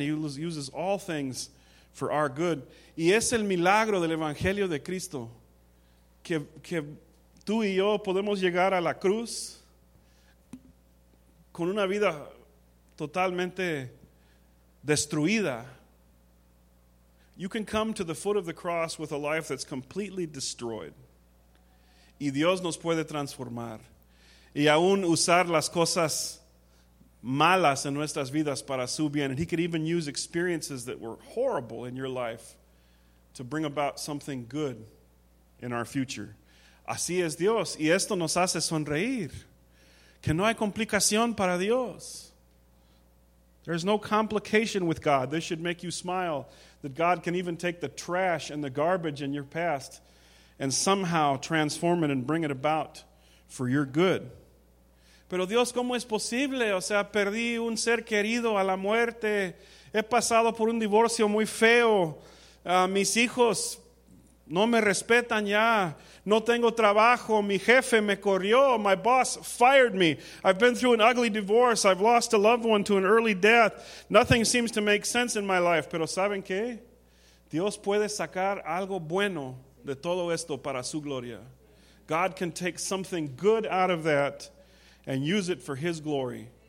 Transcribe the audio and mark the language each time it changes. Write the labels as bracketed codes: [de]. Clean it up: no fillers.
[en] He uses all things for our good. [es] Y es el milagro del Evangelio de Cristo que tú y yo podemos llegar a la cruz con una vida totalmente destruida. [en] You can come to the foot of the cross with a life that's completely destroyed. [es] Y Dios nos puede transformar. Y aún usar las cosas malas en nuestras vidas para su bien. [en] And He could even use experiences that were horrible in your life to bring about something good in our future. [es] Así es Dios. Y esto nos hace sonreír. Que no hay complicación para Dios. [en] There's no complication with God. This should make you smile that God can even take the trash and the garbage in your past and somehow transform it and bring it about for your good. [es] Pero Dios, ¿cómo es posible? O sea, perdí un ser querido a la muerte. He pasado por un divorcio muy feo. Mis hijos no me respetan ya. No tengo trabajo. Mi jefe me corrió. [en] My boss fired me. I've been through an ugly divorce. I've lost a loved one to an early death. Nothing seems to make sense in my life. [es] Pero ¿saben qué? Dios puede sacar algo bueno de todo esto para su gloria. [en] God can take something good out of that and use it for His glory.